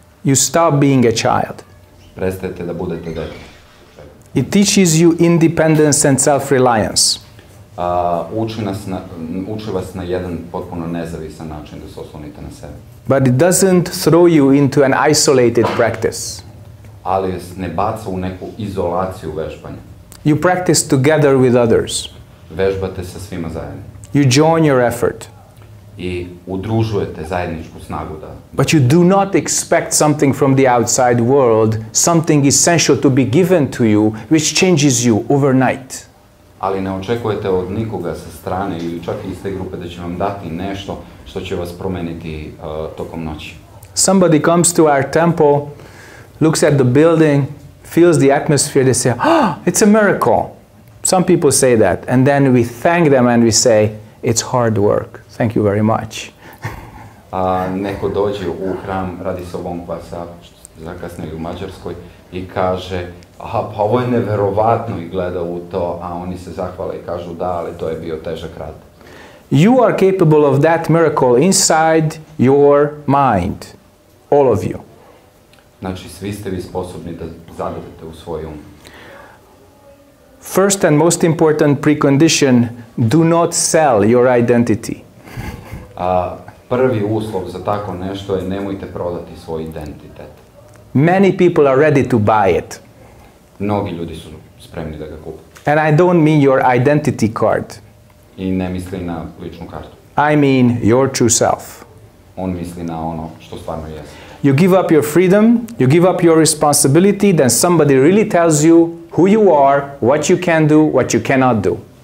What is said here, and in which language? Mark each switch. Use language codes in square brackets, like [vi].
[en] You stop being a child. [sr] Prestajete da budete dete. [en] It teaches you independence and self-reliance. [sr] Uči vas na jedan potpuno nezavisan način da se oslonite na sebe. [en] But it doesn't throw you into an isolated practice. [sr] Ali ne baca u neku izolaciju vežbanja. [en] You practice together with others. [sr] Vežbate sa svima zajedno. [en] You join your effort. [sr] I udružujete zajedničku snagu da. [en] But you do not expect something from the outside world, something essential to be given to you, which changes you overnight. [sr] Ali ne očekujete od nikoga sa strane ili čak iz te grupe da će vam dati nešto što će vas promeniti tokom noći. [en] Somebody comes to our temple, looks at the building, feels the atmosphere, they say, oh, it's a miracle. Some people say that. And then we thank them and we say, it's hard work. Thank you very much. [sr] Neko dođe u hram, radi se o Vonkvasa, zakasnili u Mađarskoj, i kaže, aha, pa ovo je neverovatno, i gleda u to, a oni se zahvale i kažu da, ali to je bio težak rad. [en] You are capable of that miracle inside your mind, all of you. [sr] Znači, svi ste vi sposobni da zadavite u svoj um. [en] First and most important precondition, do not sell your identity. [sr] Prvi uslov za tako nešto je nemojte prodati svoj identitet. [en] Many people are ready to buy it. [sr] Mnogi ljudi su spremni da ga kupe. [en] And I don't mean your identity card. [sr] I ne misli na ličnu kartu. [en] I mean your true self. [sr] On misli na ono što stvarno jeste. [en] You give up your freedom, you give up your responsibility, then somebody really tells you who you are, what you can do, what you cannot do.